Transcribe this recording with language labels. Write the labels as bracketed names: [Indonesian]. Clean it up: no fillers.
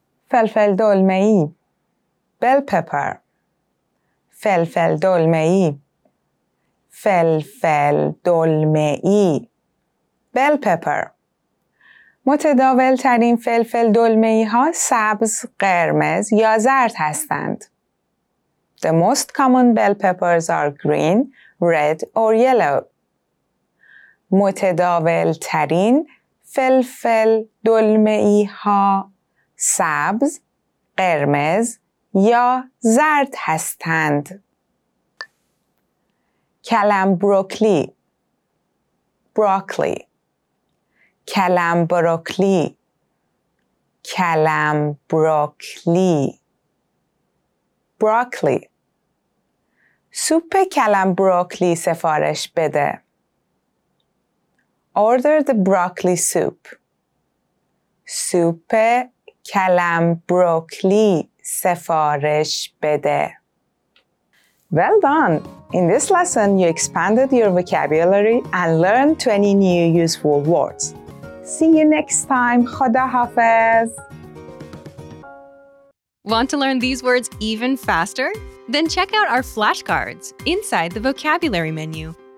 [Persian] فلفل دلمه‌ای. Bell pepper. فلفل دلمه‌ای. فلفل دلمه‌ای. Bell pepper. متداول ترین فلفل دلمه ای ها سبز، قرمز یا زرد هستند. [English] The most common bell peppers are green, red or yellow. [Persian] متداول ترین فلفل دلمه ای ها سبز، قرمز یا زرد هستند. کلم بروکلی. Broccoli. کلم بروکلی. کلم بروکلی. بروکلی. سوپ کلم بروکلی سفارش بده. [English] Order the broccoli soup. [Persian] سوپ کلم بروکلی سفارش بده. [English] Well done! In this lesson, you expanded your vocabulary and learned 20 new useful words. See you next time. [Persian] Khuda hafiz. [English] Want to learn these words even faster? Then check out our flashcards inside the vocabulary menu.